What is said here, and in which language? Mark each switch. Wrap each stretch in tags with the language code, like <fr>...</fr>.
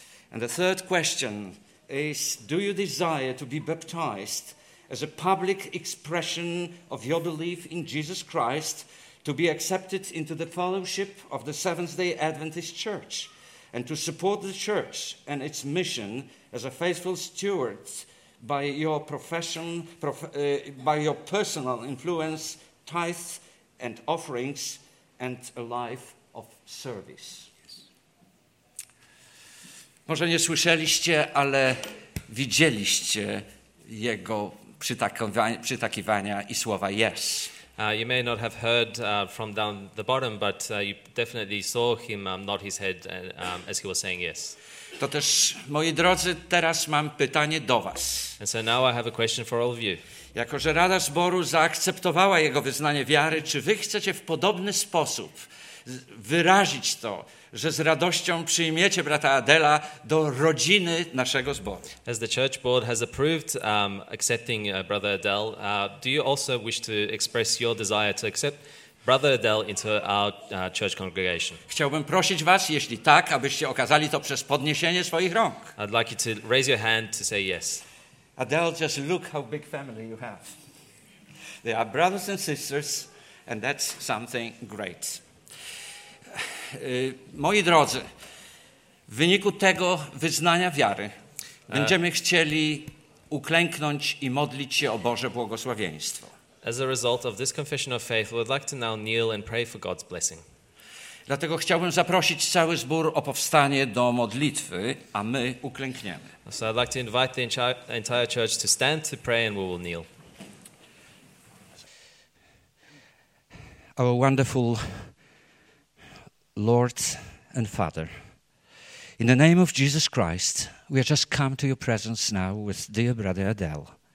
<en>And the third question is, do you desire to be baptized as a public expression of your belief in Jesus Christ, to be accepted into the fellowship of the Seventh-day Adventist Church, and to support the Church and its mission as a faithful steward by your profession, by your personal influence, tithes and offerings, and a life of service. Yes.</en> <pl>Może nie słyszeliście, ale widzieliście jego przytakiwania i słowa yes.</pl> <en>You may not have heard from down the bottom, but you definitely saw him nod his head as he was saying yes.</en> <pl>To też, moi drodzy, teraz mam pytanie do was.</pl> <en>And so now I have a question for all of you.</en> <pl>Jako że Rada Zboru zaakceptowała jego wyznanie wiary, czy wy chcecie w podobny sposób wyrazić to, że z radością przyjmiecie brata Adela do rodziny naszego zboru?</pl> <en>As the church board has approved accepting brother Adel, do you also wish to express your desire to accept brother Adel into our church congregation?</en> <pl>Chciałbym prosić was, jeśli tak, abyście okazali to przez podniesienie swoich rąk.</pl> <en>I'd like you to raise your hand to say yes. Adel, just look how big family you have. They are brothers and sisters, and that's something great.</en> <pl>Moi drodzy, w wyniku tego wyznania wiary będziemy chcieli uklęknąć i modlić się o Boże błogosławieństwo.</pl> <en>As a result of this confession of faith, we'd like to now kneel and pray for God's blessing.</en> <pl>Dlatego chciałbym zaprosić cały zbór o powstanie do modlitwy, a my uklękniemy.</pl> <en>So I'd like to invite the entire church to stand to pray and we will kneel. Our wonderful Lord and Father, in the name of Jesus Christ, we have just come to your presence now with dear brother Adel.</en>